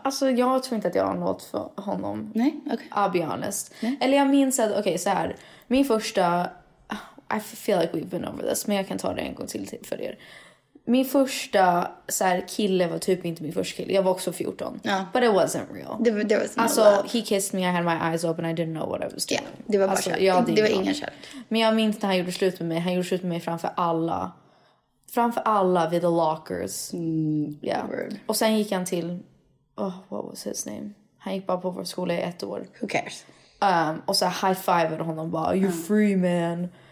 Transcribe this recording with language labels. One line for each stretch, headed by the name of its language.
Swedish: Alltså jag tror inte att jag har en låt för honom. Nej, okej.
English: Okay. I'll be honest.
Swedish: Nej. Eller jag minns att, okej, okay, så här. Min första...
English: I feel like we've been over this,
Swedish: men jag kan ta det en gång till för er. Min första så här, kille var typ inte min första kille. Jag var också 14. Ja.
English: But it wasn't real. There was no
Swedish: alltså,
English: love. He kissed me, I had my eyes open, I didn't know what I was doing.
Swedish: Ja, det var bara alltså, kärlek. Det var ingen kärlek. Men jag minns när han gjorde slut med mig. Han gjorde slut med mig framför alla... Framför alla vid The Lockers. Mm,
English: yeah. Word.
Swedish: Och sen gick han till...
English: Oh, what was his name?
Swedish: Han gick bara på vår skola i ett år.
English: Who cares?
Swedish: Och så high-fivade honom bara,
English: you're free, man.